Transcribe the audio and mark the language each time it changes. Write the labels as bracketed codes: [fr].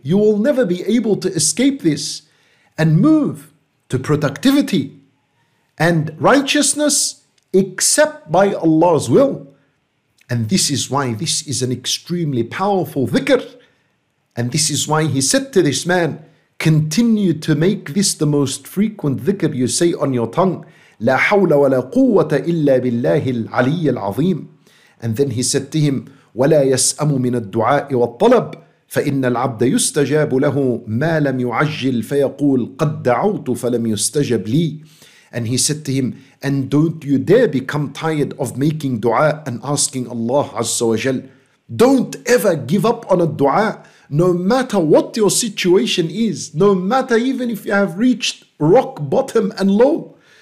[en] You will never be able to escape this and move to productivity and righteousness except by Allah's will. And this is why this is an extremely powerful dhikr. And this is why he said to this man, continue to make this the most frequent dhikr you say on your tongue. [ar] لا حول ولا قوة إلا بالله العلي العظيم. [en] And then he said to him, [ar] ولا يسأم من الدعاء والطلب فإن العبد يستجاب له ما لم يعجل فيقول قد دعوت فلم يستجب لي. [en] And he said to him, and don't you dare become tired of making dua and asking Allah Azza wa Jal. Don't ever give up on a dua, no matter what your situation is, no matter even if you have reached rock bottom and low.